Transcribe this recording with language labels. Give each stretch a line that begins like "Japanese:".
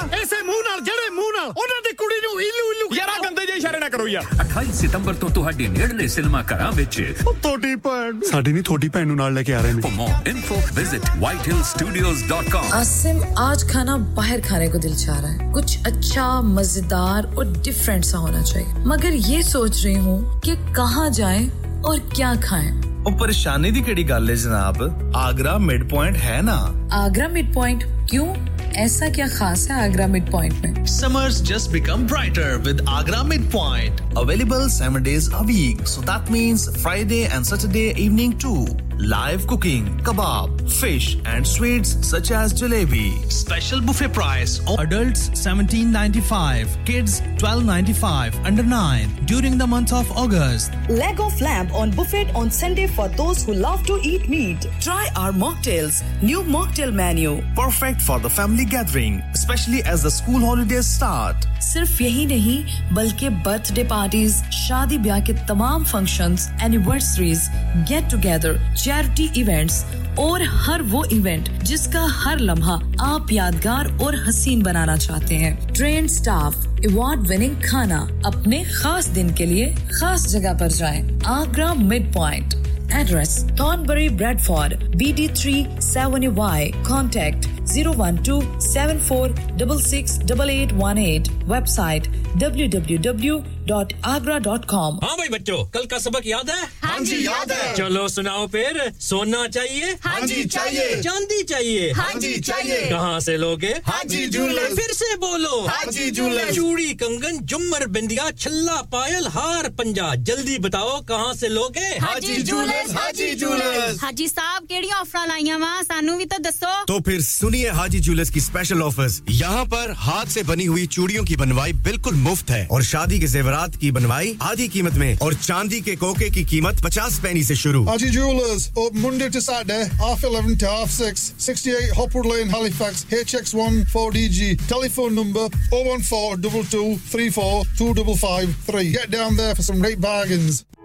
Punjabi: ایسے منہ نال جڑے منہ نال انہاں دی کڑی نو ایلو ایلو یارا گندے جے اشارے نہ کرو یار 28 ستمبر تو تہاڈے نیڑے سینما گھراں وچ تہاڈی بہن ساڈی نہیں تہاڈی بہن نو نال لے کے آ رہے ہیں
English: for info visit White Hill Studios dot com
Urdu: اسم آج کھانا باہر کھانے کو دل چاہ رہا ہے کچھ اچھا مزیدار اور ڈیفرنٹ سا ہونا مگر یہ سوچ رہی ہوں کہ کہاں جائیں اور کیا کھائیں
Punjabi: اور پریشانی دی کیڑی گل ہے جناب آگرہ مڈ پوائنٹ ہے نا
Urdu: آگرہ مڈ پوائنٹ کیوں ایسا کیا خاص ہے آگرہ مڈ پوائنٹ میں
English: Summers just become brighter with Agra mid point available 7 days a week so that means Friday and Saturday evening to Live cooking, kebab, fish and sweets such as jalebi. Special buffet price, adults $17.95, kids $12.95, under 9, during the month of August. Leg of lamb on buffet on Sunday for those who love to eat meat. Try our mocktails, new mocktail menu. Perfect for the family gathering, especially as the school holidays start.
Urdu: Sirf yahi nahi, balki birthday parties, shadi biyah ke tamam functions, anniversaries, get together, charity events اور ہر وہ event جس کا ہر لمحہ آپ یادگار اور حسین بنانا چاہتے ہیں ٹرینڈ سٹاف ایوارڈ وننگ کھانا اپنے خاص دن کے لیے خاص جگہ پر جائیں Agra mid point address تھانبری bread Ford BD37Y contact 01274668818 web site www.agra.com ہاں بھائی بچوں کل کا سبق یاد ہے ہاں جی یاد ہے چلو سناؤ پھر سونا چاہیے ہاں جی چاہیے چاندی چاہیے ہاں جی چاہیے کہاں سے لوگے ہاں جی جولر پھر سے بولو ہاں جی جولر چوڑی کنگن جمر بندیا چھلا پائل ہار پنجا جلدی بتاؤ کہاں سے لوگے ہاں جی جولر ہاں جی جولر
Punjabi: ہاں جی صاحب کیڑی آفر لائیاں وا سانو بھی تو دسو
Urdu: تو پھر سنیے ہاں جی جولر کی اسپیشل آفرز یہاں پر ہاتھ سے بنی ہوئی چوڑیوں کی بنوائی بالکل مفت ہے اور شادی کے زیورات کی بنوائی آدھی قیمت میں اور چاندی کے کوکے کی قیمت 50 پینی سے شروع
English: Aji jewellers open Monday to Saturday half 11 to half 6 68 Hopwood lane Halifax HX1 4DG telephone number 01422342553 get down there for some great bargains